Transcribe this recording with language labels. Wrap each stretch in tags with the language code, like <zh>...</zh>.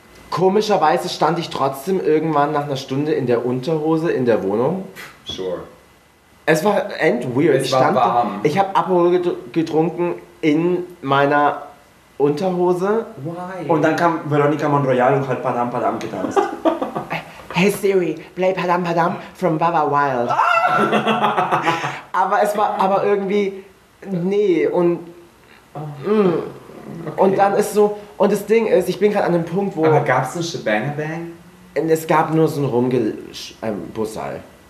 <de>Komischerweise stand ich trotzdem irgendwann nach einer Stunde in der Unterhose in der Wohnung.</de> <en>Sure.</en> <de>Es war end weird. Es war warm. Ich habe Aperol getrunken in meiner Unterhose.</de> <en>Why?</en> <de>Und dann kam Veronica Monroyal und hat Padam Padam getanzt.</de> <en>Hey Siri, play Padam Padam from Baba Wild.</en> <de>Aber es war aber irgendwie, nee, und okay. Und dann ist so, und das Ding ist, ich bin gerade an dem Punkt, wo... Aber gab's ein Shebang-a-Bang? Und es gab nur so ein Bussal.</de>